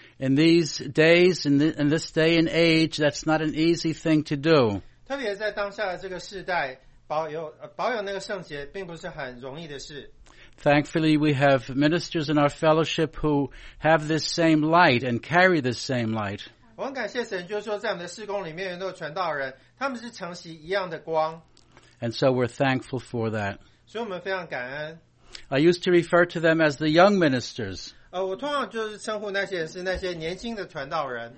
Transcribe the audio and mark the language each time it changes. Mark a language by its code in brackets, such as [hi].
[en] In these days, in this day and age, that's not an easy thing to do. [zh] 特别在当下的这个世代，保有那个圣洁并不是很容易的事。 [en] Thankfully, we have ministers in our fellowship who have this same light and carry this same light. [zh] 我很感谢神，就是说在我们的事工里面有传道人，他们是承袭一样的光。 [en] And so we're thankful for that. [zh] 所以我们非常感恩。 [en] I used to refer to them as the young ministers. [zh] 我通常就是称呼那些人是那些年轻的传道人。